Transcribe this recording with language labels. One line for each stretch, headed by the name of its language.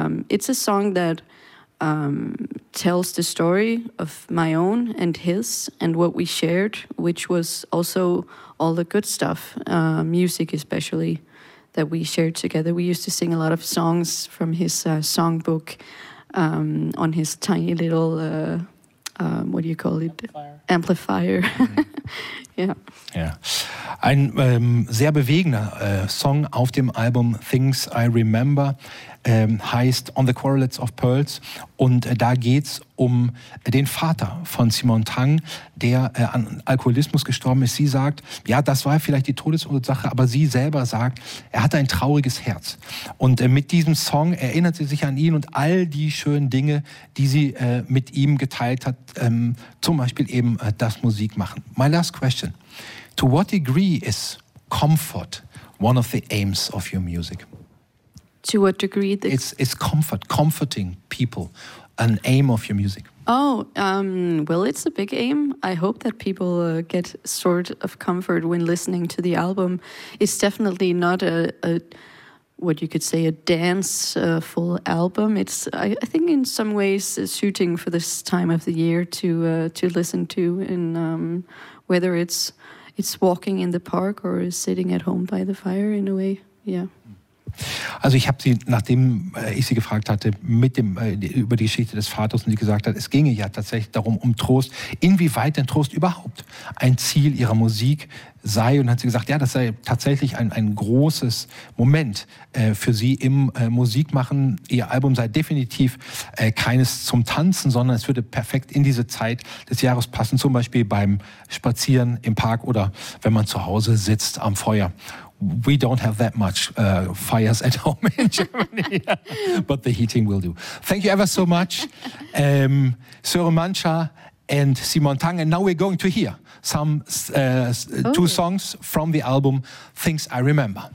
English: It's a song that tells the story of my own and his and what we shared, which was also all the good stuff, music especially, that we shared together. We used to sing a lot of songs from his songbook on his tiny little, what do you call it? Amplifier. Yeah.
German: Ein sehr bewegender Song auf dem Album Things I Remember. Heißt On the Quarrelets of Pearls, und da geht's um den Vater von Simon Tang, der an Alkoholismus gestorben ist. Sie sagt, ja, das war vielleicht die Todesursache, aber sie selber sagt, er hatte ein trauriges Herz. Und mit diesem Song erinnert sie sich an ihn und all die schönen Dinge, die sie mit ihm geteilt hat, zum Beispiel eben das Musikmachen.
English: My last question. To what degree is comfort one of the aims of your music? To what degree? It's comfort, comforting people, an aim of your music. Oh, well, it's a big aim. I hope that people get sort of comfort when listening to the album. It's definitely not a what you could say, a dance-full album. It's, I think, in some ways suiting for this time of the year to listen to, in, whether it's walking in the park or sitting at home by the fire, in a way, yeah.
German: Also ich habe sie, nachdem ich sie gefragt hatte, mit dem, über die Geschichte des Vaters, und sie gesagt hat, es ginge ja tatsächlich darum, um Trost, inwieweit denn Trost überhaupt ein Ziel ihrer Musik sei, und hat sie gesagt, ja, das sei tatsächlich ein großes Moment für sie im Musikmachen. Ihr Album sei definitiv keines zum Tanzen, sondern es würde perfekt in diese Zeit des Jahres passen, zum Beispiel beim Spazieren im Park oder wenn man zu Hause sitzt am Feuer.
English: We don't have that much fires at home in Germany, but the heating will do. Thank you ever so much, Søren Mancha and Simon Tang. And now we're going to hear some two songs from the album Things I Remember.